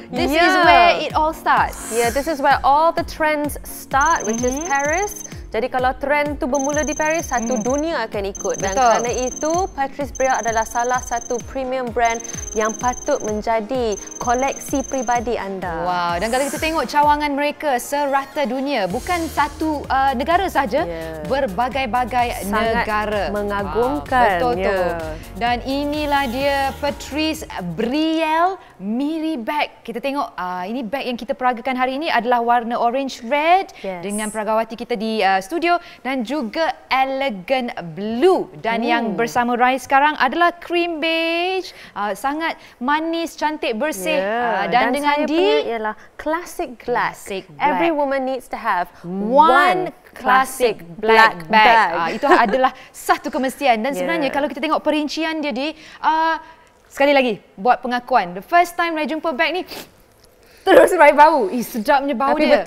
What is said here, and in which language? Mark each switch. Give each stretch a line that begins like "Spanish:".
English: This is where it all starts. Yeah, this is where all the trends start, which is Paris.
Malay: Jadi kalau trend tu bermula di Paris, satu dunia akan ikut. Dan betul. Kerana itu, Patrice Brielle adalah salah satu premium brand yang patut menjadi koleksi peribadi anda. Wow, dan kalau kita tengok cawangan mereka serata dunia, bukan satu negara saja, berbagai-bagai sangat negara. Sangat mengagumkan. Wow, betul. Yeah. Dan inilah dia Patrice Brielle Miri Bag. Kita tengok, ini bag yang kita peragakan hari ini adalah warna orange red dengan peragawati kita di studio dan juga elegant blue dan yang bersama Rai sekarang adalah cream beige, sangat manis, cantik, bersih dan dengan saya punya ialah classic glass. Classic black.
English: Every woman needs to have one classic black bag.
Malay: Itu adalah satu kemestian dan sebenarnya kalau kita tengok perincian dia di sekali lagi buat pengakuan,
English: the first time
Malay: Rai jumpa bag ni terus Rai bau. Ih, sedapnya bau. Tapi dia.